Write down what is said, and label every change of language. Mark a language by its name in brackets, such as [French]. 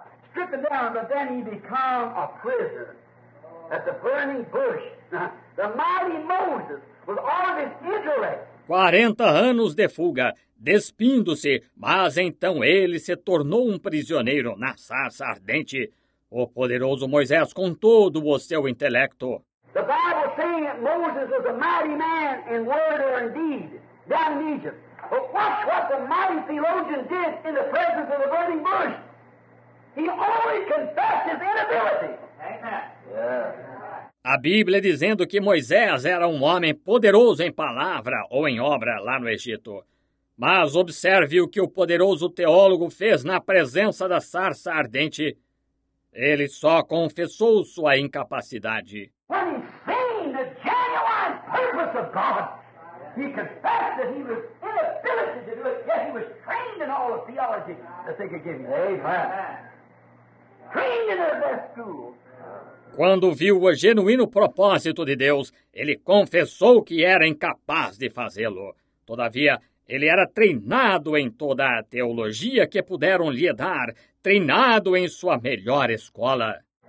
[English] Stripped down, but then he became a prisoner at the burning bush. The mighty Moses with all of his intellect. [Portuguese] 40 anos de fuga, despindo-se, mas então ele se tornou um prisioneiro na sarça ardente. O poderoso Moisés com todo o seu intelecto. [English] The Bible saying that Moses was a mighty man in word or in deed down in Egypt. But watch what the mighty theologian did in the presence of the burning bush. He only confessed his inability. Amen. [Portuguese] A Bíblia dizendo que Moisés era um homem poderoso em palavra ou em obra lá no Egito. Mas observe o que o poderoso teólogo fez na presença da sarça ardente. Ele só confessou sua incapacidade. [English] When he seen the genuine purpose of God, he confessed that he was inability to do it, yet he was trained in all the theology that they could give him. Amen. Trained in their best school. [Portuguese] Quando viu o genuíno propósito de Deus, ele confessou que era incapaz de fazê-lo. Todavia, ele era treinado em toda a teologia que puderam lhe dar, treinado em sua melhor escola.